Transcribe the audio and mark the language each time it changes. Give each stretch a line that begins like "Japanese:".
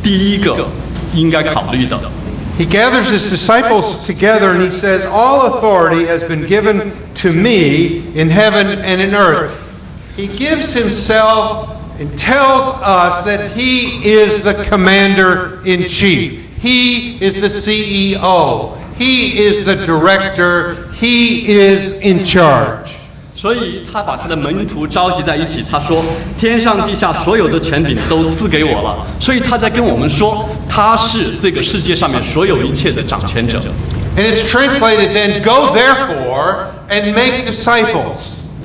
Chinese: 我们看到最后一章，这是耶稣基督离开这个世界的时候给我们最后的一个命令，所以这也应该是我们基督徒生命中间的第一个应该考虑的。
English: He gathers his disciples together and he says, "All authority has been given to me in heaven and in earth." He gives himself and tells us that he is the commander in chief. He is the CEO. He is the director. He is in charge.
Chinese: 所以他把他的门徒召集在一起，他说：“天上地下所有的权柄都赐给我了。”所以他在跟我们说，他是这个世界上面所有一切的掌权者。
English: And it's translated then, "Go therefore and make disciples."